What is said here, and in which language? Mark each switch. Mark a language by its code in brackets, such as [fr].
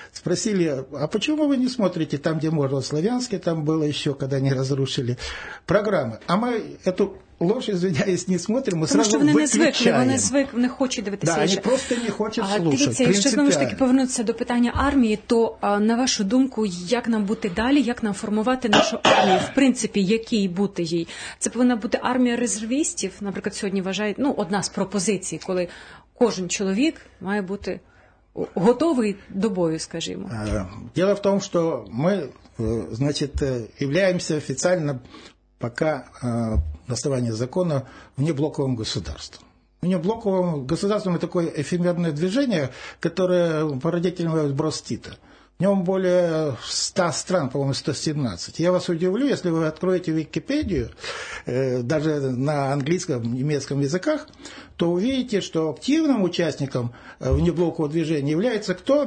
[ru] Спросили, а почему вы не смотрите там, где можно, в Славянске, там было еще, когда они разрушили программы. А мы эту ложь, извиняюсь, не смотрим, мы [uk] тому, [ru] сразу [uk] вони виключаємо. Тому що вони не звикли, вони не хочуть дивитися. Так, да, вони просто не хочуть слухати. Дивіться, якщо знову ж таки повернутися до питання армії, то, на вашу думку, як нам бути далі, як нам формувати нашу армію, в принципі, якій бути їй? Це повинна бути армія резервістів, наприклад, сьогодні вважають, ну, одна з пропозицій, коли кожен чоловік має бути готовий до бою, скажімо. [ru] Діло в тому, що ми, значить, являємося офіційно пока на основании закона внеблоковым государством. Внеблоковым государством — это такое эфемерное движение, которое по родителям брос Тита. В нем более 100 стран, по-моему, 117. Я вас удивлю, если вы откроете Википедию, даже на английском, немецком языках, то увидите, что активным участником внеблокового движения является кто?